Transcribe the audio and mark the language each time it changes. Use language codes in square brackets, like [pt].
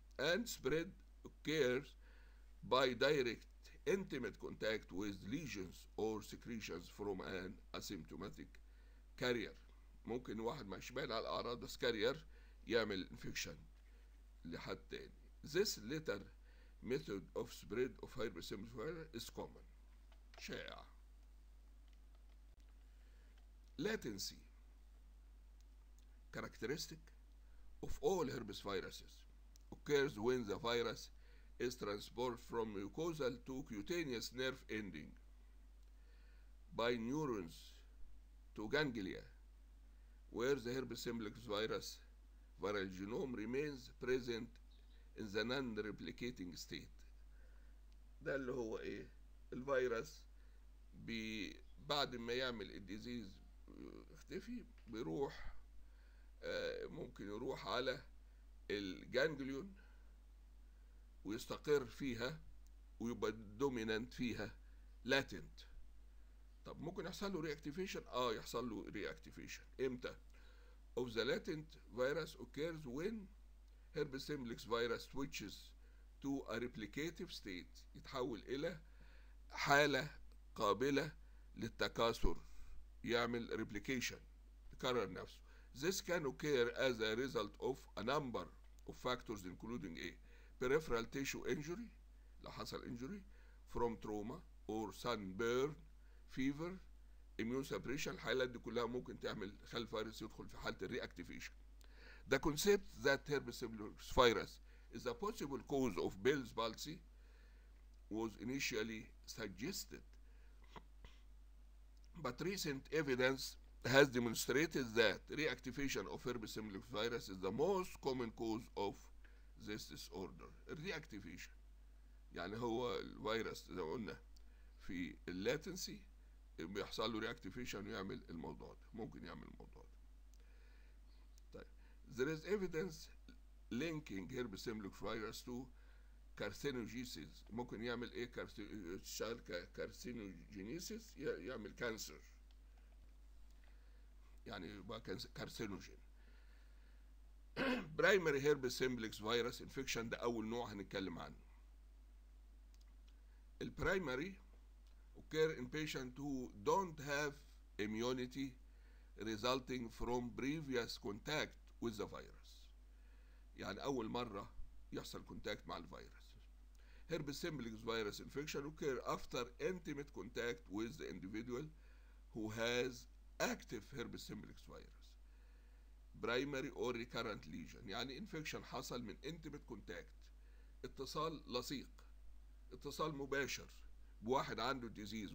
[en] And spread occurs by direct intimate contact with lesions or secretions from an asymptomatic carrier. [ar] ممكن واحد ما يشبه على الأعراض بس كارير يعمل infection لحد تاني. [en] This latter method of spread of herpes simplex virus is common, [ar] شائع. [en] Latency characteristic of all herpes viruses occurs when the virus is transported from mucosal to cutaneous nerve ending by neurons to ganglia, where the herpes simplex virus viral genome remains present in the non-replicating state. [ar] ده اللي هو ايه الفيروس بعد ما يعمل الديزيز اختفي بيروح ممكن يروح على الجانجليون ويستقر فيها ويبقى دوميننت فيها لاتنت. طب ممكن يحصل له رياكتيفيشن؟ يحصل له رياكتيفيشن. امتى؟ [en] of the latent virus occurs when herpes simplex virus switches to a replicative state, [ar] يتحول الى حالة قابلة للتكاثر, [en] يعمل replication, [ar] يكرر نفسه. [en] this can occur as a result of a number of factors including a peripheral tissue injury, [ar] لو حصل [en] injury from trauma or sunburn, fever, immune suppression. [ar] الحالات دي كلها ممكن تعمل خلف فيروس يدخل في حالة reactivation. [en] the concept that herpes simplex virus is a possible cause of Bell's palsy was initially suggested, but recent evidence has demonstrated that reactivation of herpes simplex virus is the most common cause of this disorder. [ar] Reactivation يعني هو الفيروس زي ما قلنا في اللاتنسي بيحصل له reactivation ويعمل الموضوع ده, ممكن يعمل الموضوع ده. [en] There is evidence linking herpes simplex virus to carcinogenesis. [ar] ممكن يعمل ايه تشتغل كارسينوجينيسيس, يعمل كانسر يعني يبقى كارسينوجين. برايمري [en] herpes simplex virus infection [ar] ده اول نوع هنتكلم عنه. [en] البرايمري occur in patients who don't have immunity resulting from previous contact with the virus. [ar] يعني أول مرة يحصل contact مع الفيروس. [en] Herpes simplex virus infection occur after intimate contact with the individual who has active herpes simplex virus. Primary or recurrent lesion. [ar] يعني [en] infection [ar] حصل من [en] intimate contact. [ar] اتصال لصيق. اتصال مباشر. بواحد عنده disease.